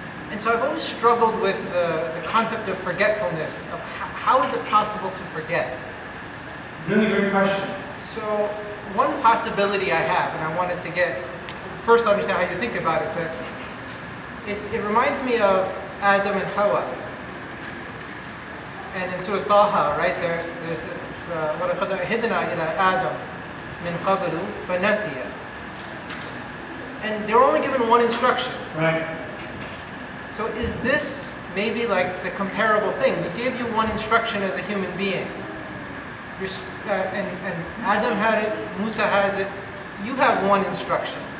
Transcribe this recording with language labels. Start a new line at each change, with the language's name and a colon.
English: And so I've always struggled with the concept of forgetfulness, of how is it possible to forget? Really great question. So one possibility I have, and I wanted to get first, understand how you think about it, but it reminds me of Adam and Hawa. And in Surah Taha, right, there's
Arabic: وَلَقَدْ أَهِدْنَا إِلَىٰ آدَمْ مِنْ قَبْلُ فَنَسِيَ.
English: And they're only given one instruction. Right. So is this maybe like the comparable thing? We gave you one instruction as a human being. And Adam had it, Musa has it, you have one instruction.